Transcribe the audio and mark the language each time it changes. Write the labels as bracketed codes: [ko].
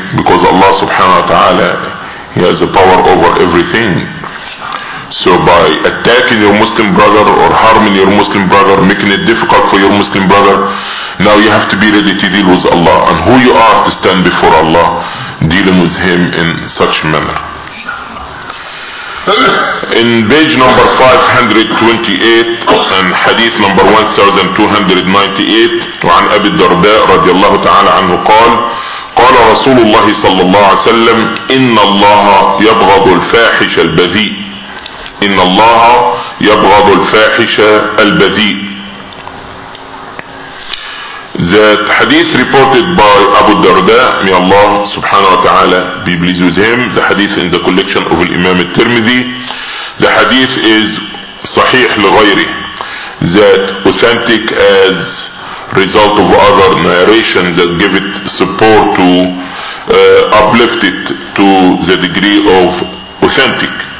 [en] Because Allah subhanahu wa ta'ala, He has the power over everything. So by attacking your Muslim brother or harming your Muslim brother, making it difficult for your Muslim brother, now you have to be ready to deal with Allah. And who you are to stand before Allah dealing with Him in such manner. In page number 528 and hadith number 1298, [ar] وعن أبي الدرداء رضي الله تعالى عنه قال قال رسول الله صلى الله عليه وسلم إن الله يبغض الفاحش البذيء إن الله يبغض الفاحش البذيء. [en] That hadith reported by Abu Darda, may Allah subhanahu wa ta'ala be pleased with him, the hadith in the collection of Imam al-Tirmidhi. The hadith is sahih l-ghayri, that authentic as result of other narration that give it support to uplift it to the degree of authentic.